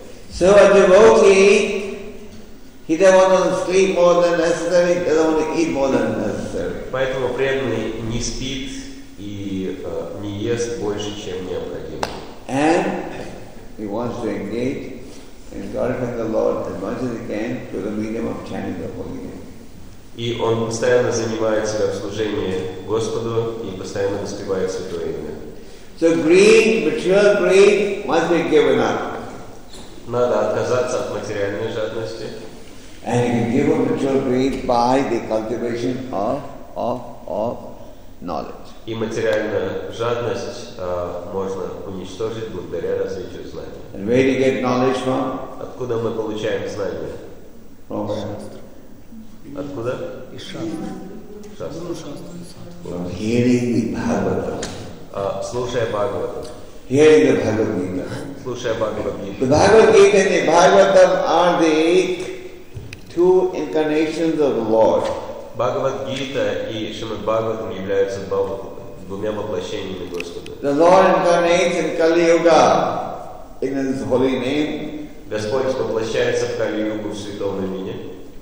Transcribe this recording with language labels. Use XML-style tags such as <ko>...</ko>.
<en>So a devotee, he doesn't want to sleep more than necessary, he doesn't want to eat more than necessary.</en> <ru>Поэтому преданный не спит и не ест больше, чем необходимо.</ru> <en>And he wants to engage and glorify the Lord as much as he can through the medium of chanting the holy name.</en> <ru>И он постоянно занимает себя в служении Господу и постоянно воспевает святое имя.</ru> <en>So greed, material greed, must be given up.</en> <ru>Надо отказаться от материальной жадности.</ru> <en>And you can give up material greed by the cultivation of knowledge.</en> <ru>И материальная жадность можно уничтожить благодаря развитию знаний.</ru> <en>And where do you get knowledge from?</en> <ru>Откуда мы получаем знания?</ru> <en>From</en> <ru>откуда? Из шастры.</ru> <en>From hearing the Bhagavatam.</en> <ru>Слушая Бхагаватам.</ru> <en>Hearing the Bhagavad Gita.</en> <ru>Слушая Бхагавад Гиту.</ru> <en>The Bhagavad Gita and the Bhagavatam are the two incarnations of the Lord.</en> <ru>Bhagavad Gita и Shrimad Bhagavatam являются двумя воплощениями Господа.</ru> <en>The Lord incarnates in Kali Yuga in His holy name.</en> <ru>Господь воплощается в Кали Югу в святом имени.</ru>